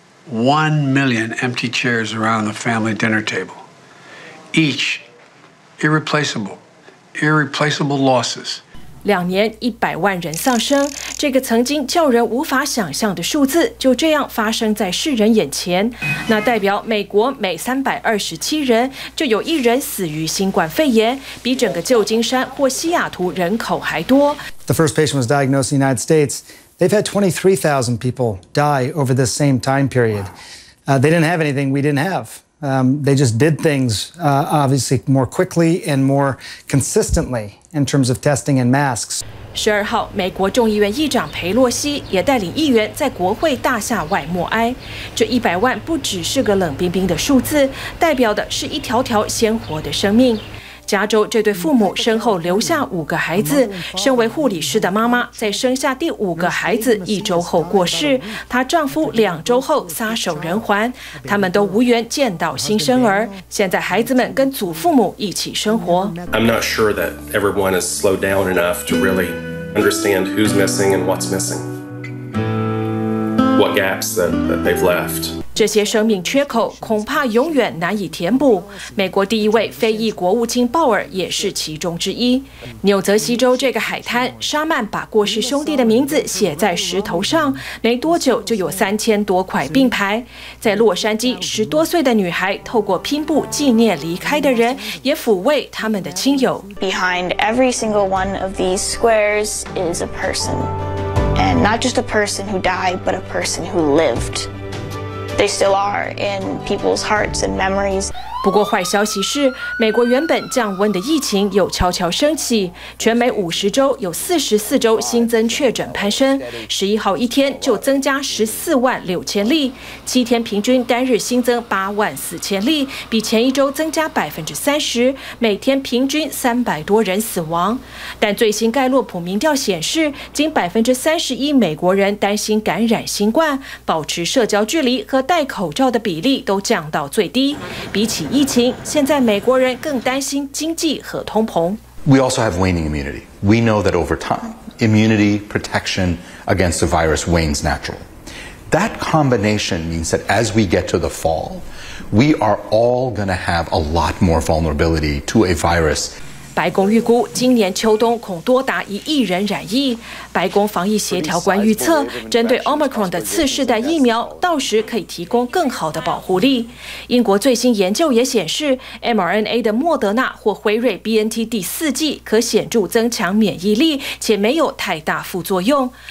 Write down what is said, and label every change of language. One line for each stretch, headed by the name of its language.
English: 1 million empty chairs around the family dinner table. Each irreplaceable, irreplaceable losses.
Chinese: 两年一百万人丧生，这个曾经叫人无法想象的数字就这样发生在世人眼前。那代表美国每327人就有一人死于新冠肺炎，比整个旧金山或西雅图人口还多。
English: The first patient was diagnosed in the United States. They've had 23,000 people die over this same time period. They didn't have anything we didn't have. They just did things, obviously, more quickly and more consistently in terms of testing and masks.
Chinese: 12号，美国众议院议长佩洛西也带领议员在国会大厦外默哀。这一百万不只是个冷冰冰的数字，代表的是一条条鲜活的生命。加州这对父母身后留下五个孩子，身为护理师的妈妈在生下第五个孩子一周后过世，她丈夫两周后撒手人寰，他们都无缘见到新生儿。现在孩子们跟祖父母一起生活。
English: I'm not sure that everyone has slowed down enough to really understand who's missing and what's missing, what gaps that they've left.
Chinese: 这些生命缺口恐怕永远难以填补。美国第一位非裔国务卿鲍尔也是其中之一。纽泽西州这个海滩，沙曼把过世兄弟的名字写在石头上，没多久就有3000多块并排。在洛杉矶，十多岁的女孩透过拼布纪念离开的人，也抚慰他们的亲友。
English: Behind every single one of these squares is a person, and not just a person who died, but a person who lived. They still are in people's hearts and memories.
Chinese: 不过坏消息是，美国原本降温的疫情又悄悄升起，全美50州有44州新增确诊攀升，11号一天就增加146,000例，七天平均单日新增84,000例，比前一周增加30%，每天平均300多人死亡。但最新盖洛普民调显示，仅31%美国人担心感染新冠，保持社交距离和戴口罩的比例都降到最低。比起疫情，现在美国人更担心经济和通膨。
English: We also have waning immunity. We know that over time, immunity protection against the virus wanes naturally. That combination means that as we get to the fall, we are all going to have a lot more vulnerability to a virus.
Chinese: 白宫预估今年秋冬恐多达1亿人染疫。白宫防疫协调官预测，针对 Omicron 的次世代疫苗，到时可以提供更好的保护力。英国最新研究也显示 ，mRNA 的莫德纳或辉瑞 BNT 第四剂可显著增强免疫力，且没有太大副作用。